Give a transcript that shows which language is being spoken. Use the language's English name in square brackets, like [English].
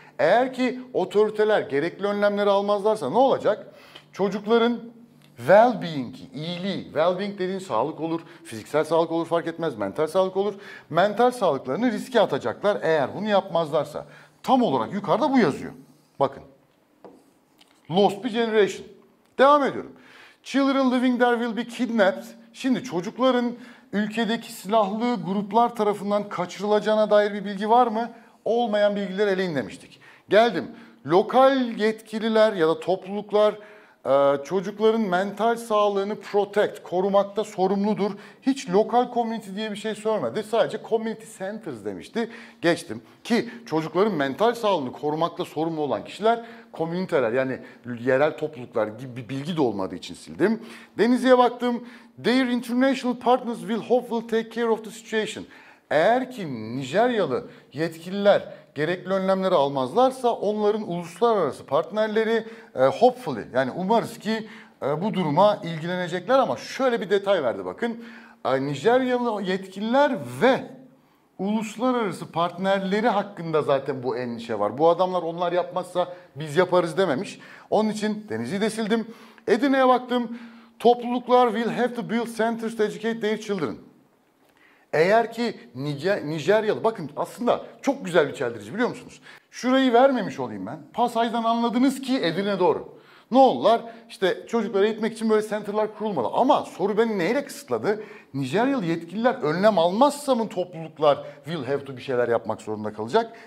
[Turkish] Eğer ki otoriteler gerekli önlemleri almazlarsa ne olacak? Çocukların well-being, iyiliği, well-being dediğin sağlık olur, fiziksel sağlık olur fark etmez, mental sağlık olur. Mental sağlıklarını riske atacaklar eğer bunu yapmazlarsa. Tam olarak yukarıda bu yazıyor. Bakın. Lost bir generation. Devam ediyorum. [English] Children living there will be kidnapped. [Turkish] Şimdi çocukların ülkedeki silahlı gruplar tarafından kaçırılacağına dair bir bilgi var mı? Olmayan bilgiler eleyin demiştik. Geldim. Lokal yetkililer ya da topluluklar Çocukların mental sağlığını protect, korumakta sorumludur. Hiç local community diye bir şey sormadı. Sadece community centers demişti. Geçtim. Ki çocukların mental sağlığını korumakta sorumlu olan kişiler komüniteler, yani yerel topluluklar gibi bir bilgi de olmadığı için sildim. Denizli'ye baktım. [English] Their international partners will hopefully take care of the situation. [Turkish] Eğer ki Nijeryalı yetkililer gerekli önlemleri almazlarsa onların uluslararası partnerleri hopefully, yani umarız ki bu duruma ilgilenecekler. Ama şöyle bir detay verdi bakın. Nijeryalı yetkililer ve uluslararası partnerleri hakkında zaten bu endişe var. Bu adamlar onlar yapmazsa biz yaparız dememiş. Onun için Denizli'yi de sildim. Edirne'ye baktım. Topluluklar [English] will have to build centers to educate their children. [Turkish] Eğer ki Nijeryalı, bakın aslında çok güzel bir çeldirici biliyor musunuz? Şurayı vermemiş olayım ben. Pasaj'dan anladınız ki Edirne doğru. Ne oldular? İşte çocuklara eğitmek için böyle centerlar kurulmalı. Ama soru beni neyle kısıtladı? Nijeryalı yetkililer önlem almazsa mı topluluklar [English] will have to [Turkish] bir şeyler yapmak zorunda kalacak?